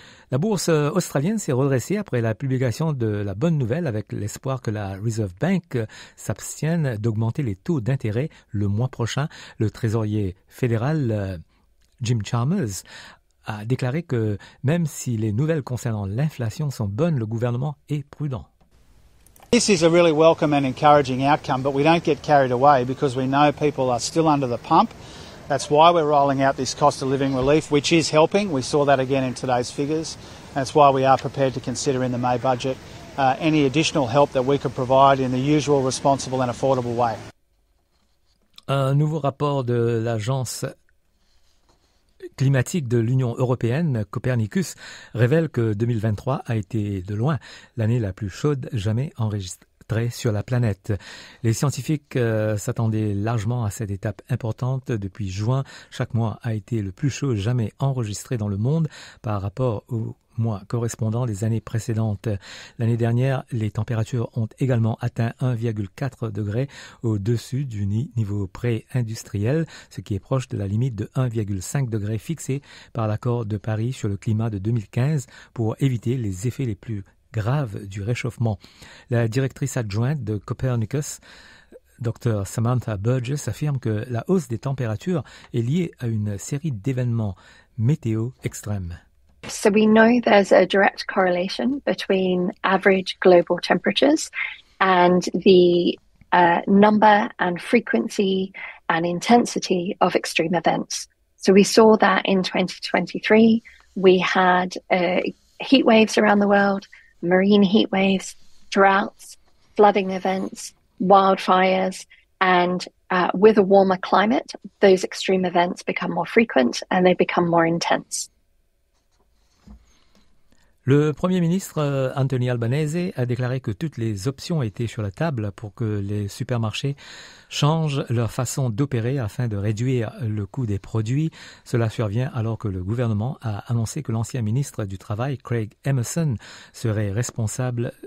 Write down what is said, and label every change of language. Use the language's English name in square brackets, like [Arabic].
[French] La bourse australienne s'est redressée après la publication de la bonne nouvelle avec l'espoir que la Reserve Bank s'abstienne d'augmenter les taux d'intérêt le mois prochain. Le trésorier fédéral Jim Chalmers a déclaré que même si les nouvelles concernant l'inflation sont bonnes, le gouvernement est prudent. [English] This is a really welcome and encouraging outcome, but we don't get carried away because we know people are still under the pump. That's why we're rolling out this cost of living relief, which is helping. We saw that again in today's figures. That's why we are prepared to consider in the May budget any additional help that we could provide in the usual responsible and affordable way. [French] Un nouveau rapport de l'agence climatique de l'Union européenne, Copernicus, révèle que 2023 a été de loin l'année la plus chaude jamais enregistrée sur la planète. Les scientifiques s'attendaient largement à cette étape importante. Depuis juin, chaque mois a été le plus chaud jamais enregistré dans le monde par rapport au mois correspondant des années précédentes. L'année dernière, les températures ont également atteint 1,4 degré au-dessus du niveau pré-industriel, ce qui est proche de la limite de 1,5 degré fixée par l'accord de Paris sur le climat de 2015 pour éviter les effets les plus graves du réchauffement. La directrice adjointe de Copernicus, Dr Samantha Burgess, affirme que la hausse des températures est liée à une série d'événements météo extrêmes. [English] So we know there's a direct correlation between average global temperatures and the number and frequency and intensity of extreme events. So we saw that in 2023, we had heat waves around the world, marine heat waves, droughts, flooding events, wildfires, and with a warmer climate, those extreme events become more frequent and they become more intense. [French] Le Premier ministre Anthony Albanese a déclaré que toutes les options étaient sur la table pour que les supermarchés changent leur façon d'opérer afin de réduire le coût des produits. Cela survient alors que le gouvernement a annoncé que l'ancien ministre du Travail, Craig Emerson, serait responsable